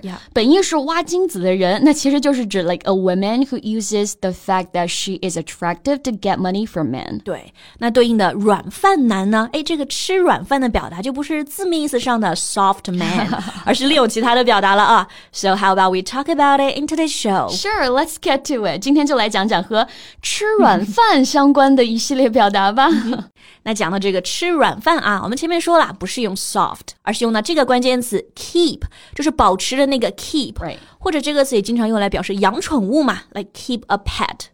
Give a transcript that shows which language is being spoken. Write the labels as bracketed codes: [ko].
[en] yeah. [zh] 本意是挖金子的人，那其实就是指 [en] like a woman who uses the fact that she is attractive to get money from men. [zh] 对，那对应的软饭男呢，诶，这个吃软饭的表达就不是字面意思上的 soft man 而是另有其他的表达了啊。 [en] So how about we talk about it in today's show? Sure, let's get to it. [zh] 今天就来讲讲和吃软饭相关的一系列表达吧。那讲到这个吃软饭啊，我们前面说了不是用 soft, 而是用了这个关键词 keep, 就是保持的那个 keep、 [en] right. [zh] 或者这个词也经常用来表示养宠物嘛 [en] like keep a pet。